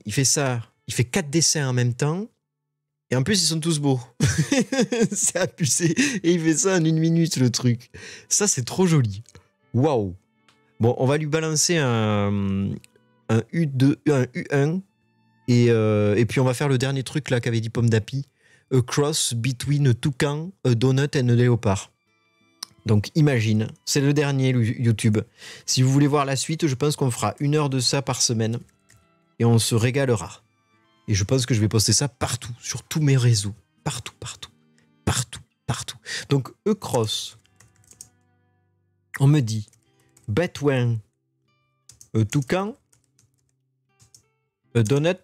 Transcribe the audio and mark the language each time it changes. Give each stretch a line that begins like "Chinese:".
French: Il fait ça. Il fait 4 dessins en même temps. Et en plus, ils sont tous beaux. C'est abusé. Et il fait ça en une minute, le truc. Ça, c'est trop joli. Waouh. Bon, on va lui balancer un U2, un U1. Et puis, on va faire le dernier truc, là, qu'avait dit Pomme d'Api.
English: A cross between a toucan, a donut and a léopard.
French: Donc imagine, c'est le dernier YouTube. Si vous voulez voir la suite, je pense qu'on fera une heure de ça par semaine et on se régalera. Et je pense que je vais poster ça partout, sur tous mes réseaux. Partout, partout. Partout, partout. Donc
English: a cross,
French: on me dit
English: between a toucan, a donut.